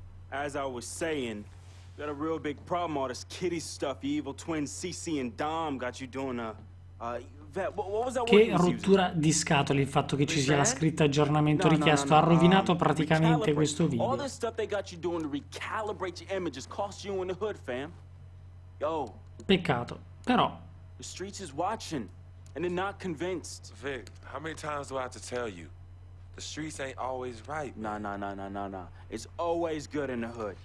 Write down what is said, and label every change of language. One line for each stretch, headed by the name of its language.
English: As I was saying, got a real big problem, all this kiddie stuff, your evil twin CC and Dom got you doing a...
Italian: Che rottura di scatole il fatto che ci sia la scritta aggiornamento richiesto. Ha rovinato praticamente questo video.
English: All this stuff they got you doing to recalibrate your images cost you in the hood, fam. Yo.
Italian: Peccato, però.
English: The streets is watching, and they're not convinced. Vic, how many times do I have to tell you? The streets ain't always right. Nah. It's always good in the hood.